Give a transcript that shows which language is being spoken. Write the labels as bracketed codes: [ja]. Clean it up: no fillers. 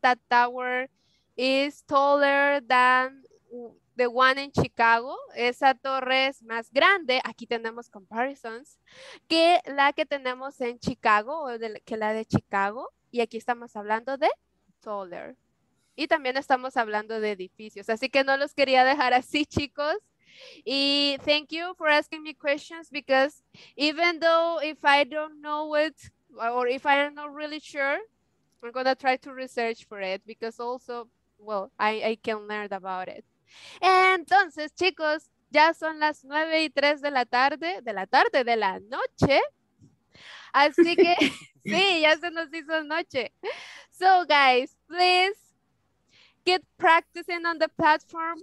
[en] That tower is taller than the one in Chicago. [es] Esa torre es más grande. Aquí tenemos comparisons. Que la que tenemos en Chicago o que la de Chicago. Y aquí estamos hablando de taller. Y también estamos hablando de edificios. Así que no los quería dejar así, chicos. [en] Y thank you for asking me questions, because even though if I don't know it or if I am not really sure, I'm going to try to research for it, because also, well, I can learn about it. [es] Entonces, chicos, ya son las 9:03 de la tarde, de la noche. Así que, sí, ya se nos hizo noche. [en] So, guys, please keep practicing on the platform.